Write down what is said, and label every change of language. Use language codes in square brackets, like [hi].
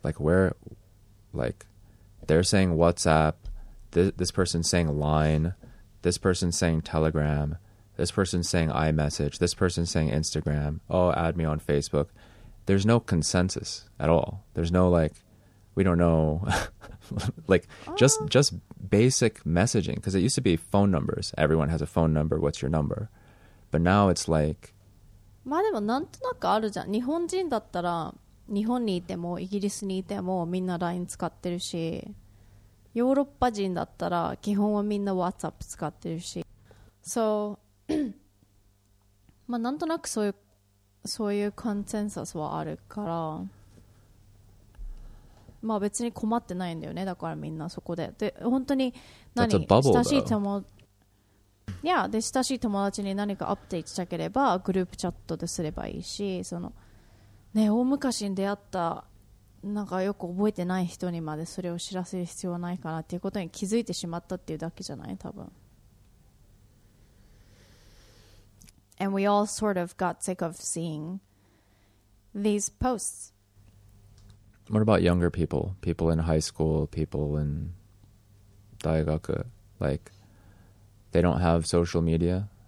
[en] Like, where, like, they're saying WhatsApp, this person's saying Line, this person's saying Telegram, this person's saying iMessage, this person's saying Instagram, oh, add me on Facebook. There's no consensus at all. There's no, like, we don't know, like, just basic messaging, because it used to be phone numbers. Everyone has a phone number. What's your number? But now it's like, [ja] まあでもなんとなくあるじゃん。日本人だったら日本にいてもイギリスにいてもみんな LINE 使ってるし、ヨーロッパ人だったら基本はみんな WhatsApp 使ってるし、so まあなんとなくそういうコンセンサスはあるから、まあ別に困ってないんだよね。だからみんなそこで、で本当に何 [en] bubble, [ja] 親しい友、いや、で親しい友達に何かアップデートしたければグループチャットですればいいし、そのね、大昔に出会ったなんかよく覚えてない人にまでそれを知らせる必要はないかなっていうことに気づいてしまったっていうだけじゃない、多分。 [en] And we all sort of got sick of seeing these posts What about younger people? People in high school, people in 大学, like, they don't have social media.